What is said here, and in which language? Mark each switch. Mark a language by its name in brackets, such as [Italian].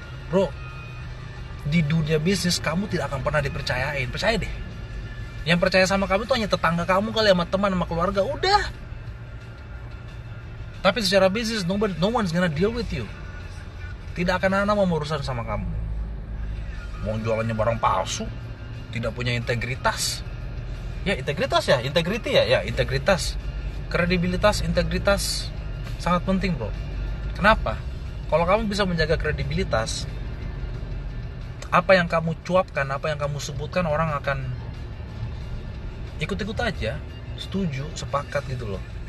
[Indonesian] Bro, di dunia bisnis kamu tidak akan pernah dipercayain. Percaya deh. Yang percaya sama kamu itu hanya tetangga kamu kali, sama teman, sama keluarga, udah. Tapi secara bisnis, [English] no one's gonna deal with you. [Indonesian] Tidak akan ada mau urusan sama kamu. Mau jualannya barang palsu, tidak punya integritas. Ya, integritas ya, integrity ya, ya, integritas. Kredibilitas, integritas sangat penting, bro. Kenapa? Kalau kamu bisa menjaga kredibilitas, apa yang kamu cuapkan, apa yang kamu sebutkan, orang akan ikut-ikut aja, setuju, sepakat gitu loh.